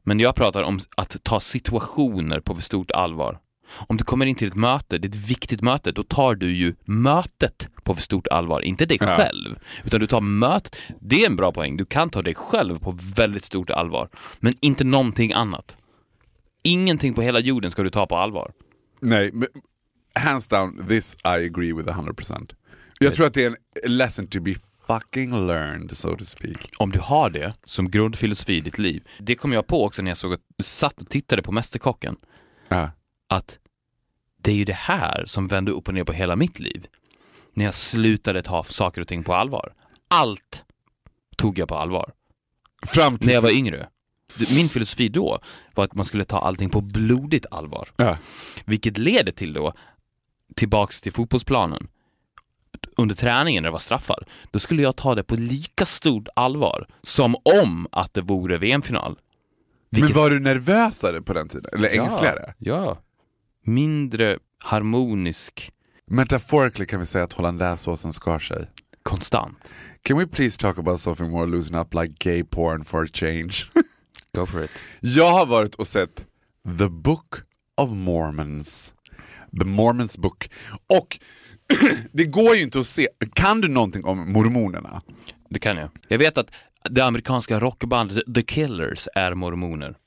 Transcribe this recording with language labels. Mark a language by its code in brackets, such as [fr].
[sv] Men jag pratar om att ta situationer på för stort allvar. Om du kommer in till ett möte, det är ett viktigt möte, då tar du ju mötet på för stort allvar. Inte dig själv, utan du tar mötet. Det är en bra poäng. Du kan ta dig själv på väldigt stort allvar. Men inte någonting annat. Ingenting på hela jorden ska du ta på allvar. Nej, men [en] hands down, this I agree with 100%. [sv] Jag tror att det är en [en] lesson to be fucking learned, so to speak. [sv] Om du har det som grundfilosofi i ditt liv, det kom jag på också när jag såg att du satt och tittade på Mästerkocken. Att det är ju det här som vände upp och ner på hela mitt liv. När jag slutade ta saker och ting på allvar. Allt tog jag på allvar. Framtiden. När jag var yngre. Min filosofi då var att man skulle ta allting på blodigt allvar. Vilket leder till då, tillbaks till fotbollsplanen. Under träningen när det var straffar, då skulle jag ta det på lika stort allvar som om att det vore VM-final. Men var du nervösare på den tiden? Eller ängsligare? Ja, mindre harmonisk. Metaforically kan vi säga att hålla en läsåsen skar sig. Konstant. [en] Can we please talk about something more losing up like gay porn for a change? Go for it. [sv] Jag har varit och sett The Book of Mormons. The Mormons Book. Och det går ju inte att se. Kan du någonting om mormonerna? Det kan jag. Jag vet att det amerikanska rockbandet The Killers är mormoner.